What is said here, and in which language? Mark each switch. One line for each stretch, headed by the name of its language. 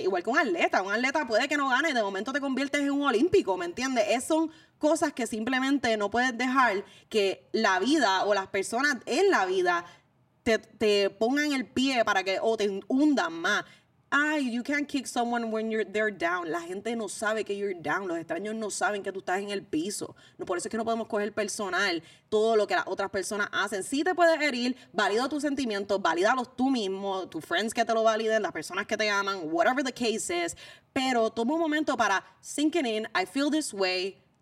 Spanish: Igual que un atleta puede que no gane y de momento te conviertes en un olímpico, ¿me entiendes? Es son cosas que simplemente no puedes dejar que la vida o las personas en la vida te pongan el pie para que o te hundan más.
English: Ay, you can't kick someone when they're down.
Spanish: La gente no sabe que
English: you're down.
Spanish: Los extraños no saben que tú estás en el piso. No, por eso es que no podemos coger personal todo lo que las otras personas hacen. Sí te puedes herir, valida tus sentimientos, valídalos tú mismo, tus friends que te lo validen, las personas que te aman,
English: whatever the case is.
Spanish: Pero toma un momento para
English: sinking in, I feel this way.